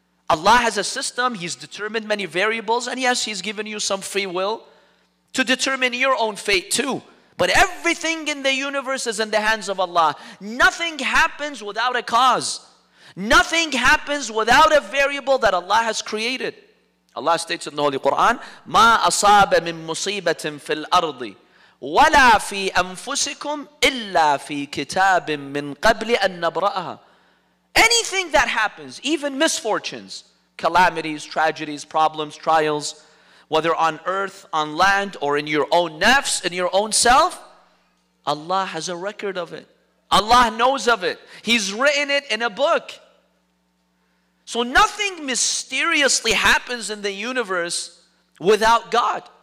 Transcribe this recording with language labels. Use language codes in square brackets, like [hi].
[en] Allah has a system, He's determined many variables, and yes, He's given you some free will to determine your own fate too. But everything in the universe is in the hands of Allah. Nothing happens without a cause. Nothing happens without a variable that Allah has created. [ar] Allah states in the Holy Quran, مَا أَصَابَ مِن مُصِيبَةٍ فِي الْأَرْضِ وَلَا فِي أَنفُسِكُمْ إِلَّا فِي كِتَابٍ مِن قَبْلِ أَن نَبْرَأَهَا. [en] Anything that happens, even misfortunes, calamities, tragedies, problems, trials, whether on earth, on land, or in your own nafs, in your own self, Allah has a record of it. Allah knows of it. He's written it in a book. So nothing mysteriously happens in the universe without God.